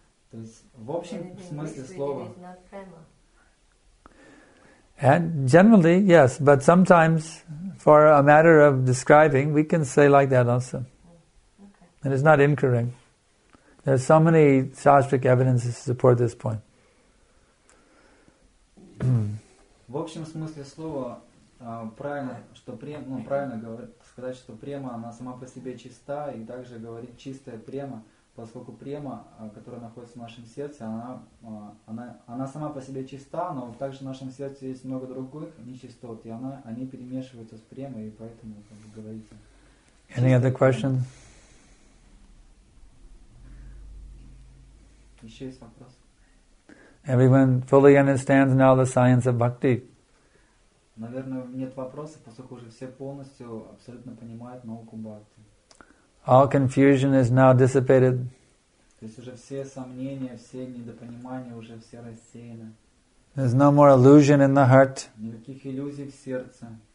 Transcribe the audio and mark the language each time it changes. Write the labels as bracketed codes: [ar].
[ru] То есть в общем смысле слова. [en] And generally, yes, but sometimes, for a matter of describing, we can say like that also. Okay. And it's not incorrect. There are so many Shastric evidences to support this point. [ru] В общем смысле слова, правильно, что према, ну, правильно сказать, что према, она сама по себе чиста, и также говорить чистая према, поскольку према, которая находится в нашем сердце, она сама по себе чиста, но также в нашем сердце есть много других нечистот, и они перемешиваются с премой, и поэтому как вы говорите. [en] Any other question? [ru] Еще есть вопрос? [en] Everyone fully understands now the science of bhakti. [ru] Наверное, нет вопросов, поскольку уже все полностью абсолютно понимают науку бхакти. [en] All confusion is now dissipated. [ru] То есть уже все сомнения, все недопонимания уже все рассеяны. [en] There's no more illusion in the heart. [ru] Никаких иллюзий в сердце.